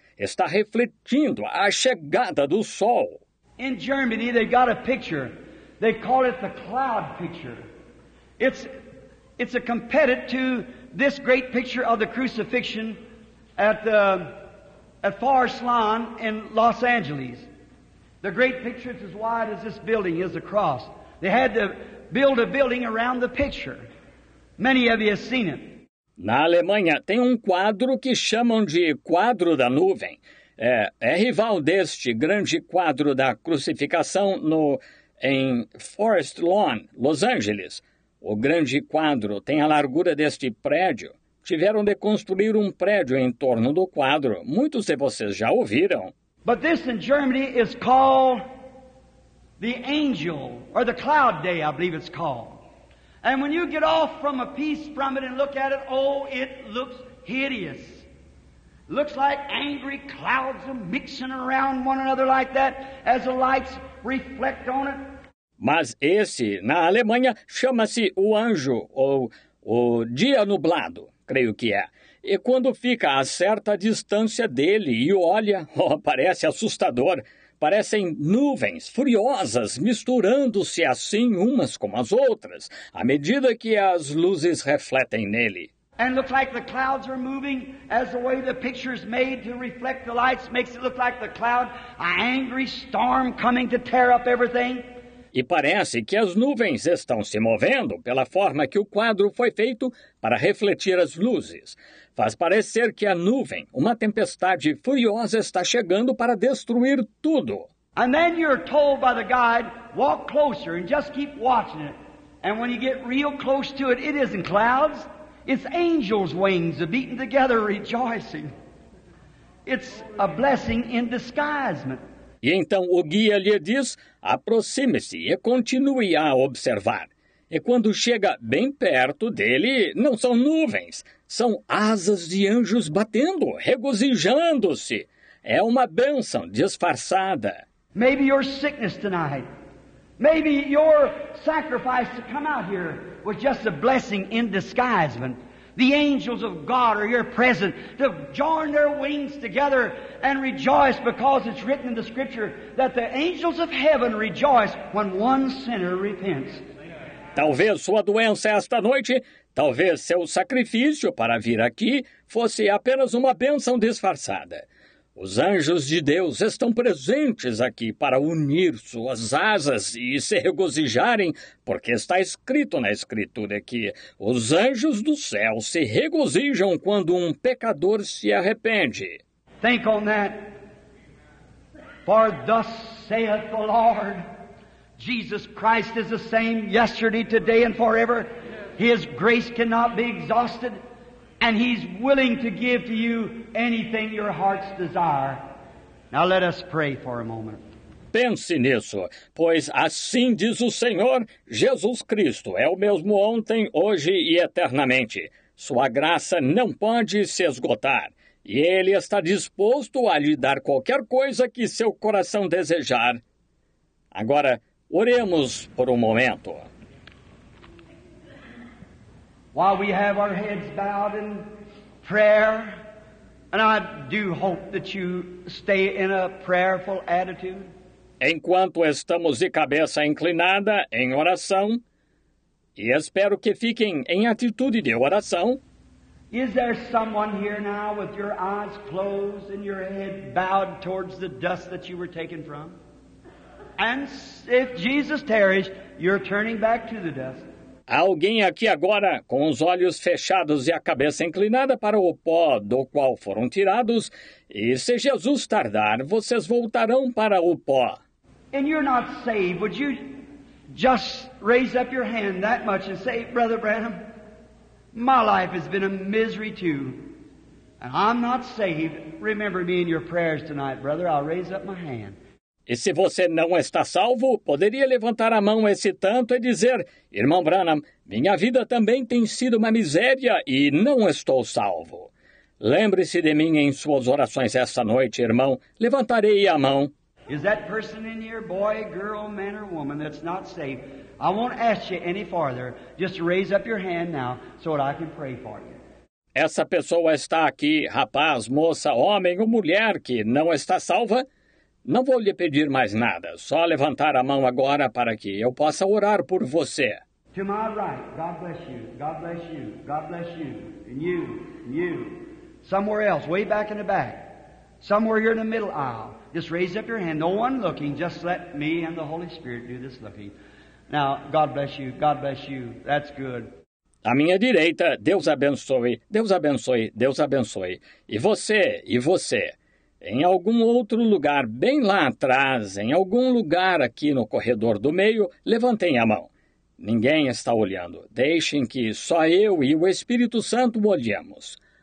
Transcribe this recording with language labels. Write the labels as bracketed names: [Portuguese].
[Portuguese] Está refletindo a chegada do sol. [English] In Germany, they got a picture. They call it the cloud picture. It's a competitor to this great picture of the crucifixion at Forest Lawn in Los Angeles. The great picture is as wide as this building is across. They had to build a building around the picture. Many of you have seen it. [Portuguese] Na Alemanha, tem um quadro que chamam de Quadro da Nuvem. É rival deste grande quadro da crucificação em Forest Lawn, Los Angeles. O grande quadro tem a largura deste prédio. Tiveram de construir um prédio em torno do quadro. Muitos de vocês já ouviram. [English] But this in Germany is called the Angel, or the Cloud Day, I believe it's called. And when you get off from a piece from it and look at it, oh, it looks hideous. Looks like angry clouds are mixing around one another like that as the lights reflect on it. [Portuguese] Mas esse, na Alemanha, chama-se o anjo, ou o dia nublado, creio que é. E quando fica a certa distância dele e olha, oh, parece assustador. Parecem nuvens furiosas misturando-se assim umas com as outras, à medida que as luzes refletem nele. [English] And looks like the clouds are moving as the way the picture's made to reflect the lights makes it look like the cloud, a angry storm coming to tear up everything. [Portuguese] E parece que as nuvens estão se movendo pela forma que o quadro foi feito para refletir as luzes. Faz parecer que a nuvem, uma tempestade furiosa, está chegando para destruir tudo. [English] And then you're told by the guide, walk closer and just keep watching it. And when you get real close to it, it isn't clouds. It's angels' wings beating together rejoicing. It's a blessing in disguise. [Portuguese] E então o guia lhe diz, aproxime-se e continue a observar. E quando chega bem perto dele, não são nuvens, são asas de anjos batendo, regozijando-se. É uma bênção disfarçada. [English] Maybe your sickness tonight, maybe your sacrifice to come out here was just a blessing in disguise. When the angels of God are here present to join their wings together and rejoice because it's written in the scripture that the angels of heaven rejoice when one sinner repents. [Portuguese] Talvez sua doença esta noite, talvez seu sacrifício para vir aqui, fosse apenas uma bênção disfarçada. Os anjos de Deus estão presentes aqui para unir suas asas e se regozijarem, porque está escrito na Escritura que os anjos do céu se regozijam quando um pecador se arrepende. [English] Think on that. For thus saith the Lord. Jesus Christ is the same yesterday, today, and forever. His grace cannot be exhausted, and He's willing to give to you anything your hearts desire. Now let us pray for a moment. [Portuguese] Pense nisso, pois assim diz o Senhor, Jesus Cristo é o mesmo ontem, hoje e eternamente. Sua graça não pode se esgotar, e Ele está disposto a lhe dar qualquer coisa que seu coração desejar. Agora, oremos por um momento. [English] While we have our heads bowed in prayer, and I do hope that you stay in a prayerful attitude. [Portuguese] Enquanto estamos de cabeça inclinada em oração, e espero que fiquem em atitude de oração. [English] Is there someone here now with your eyes closed and your head bowed towards the dust that you were taken from? And if Jesus tarries, you're turning back to the dust. [Portuguese] Há alguém aqui agora com os olhos fechados e a cabeça inclinada para o pó do qual foram tirados, e se Jesus tardar, vocês voltarão para o pó. [English] And you're not saved, would you just raise up your hand that much and say, Brother Branham, my life has been a misery too, and I'm not saved. Remember me in your prayers tonight, brother. I'll raise up my hand. [Portuguese] E se você não está salvo, poderia levantar a mão esse tanto e dizer, Irmão Branham, minha vida também tem sido uma miséria e não estou salvo. Lembre-se de mim em suas orações esta noite, irmão. Levantarei a mão. [English] Is that person in here, boy, girl, man or woman that's not saved? I won't ask you any farther. Just raise up your hand now so that I can pray for you. [Portuguese] Essa pessoa está aqui, rapaz, moça, homem ou mulher que não está salva? Não vou lhe pedir mais nada. Só levantar a mão agora para que eu possa orar por você. [English] To my right, God bless you, God bless you, God bless you, and you, and you. Somewhere else, way back in the back, somewhere here in the middle aisle, just raise up your hand, no one looking, just let me and the Holy Spirit do this looking. Now, God bless you, God bless you, that's good. [Portuguese] À minha direita, Deus abençoe, Deus abençoe, Deus abençoe. E você, e você. Em algum outro lugar, bem lá atrás, em algum lugar aqui no corredor do meio, levantem a mão. Ninguém está olhando. Deixem que só eu e o Espírito Santo olhemos.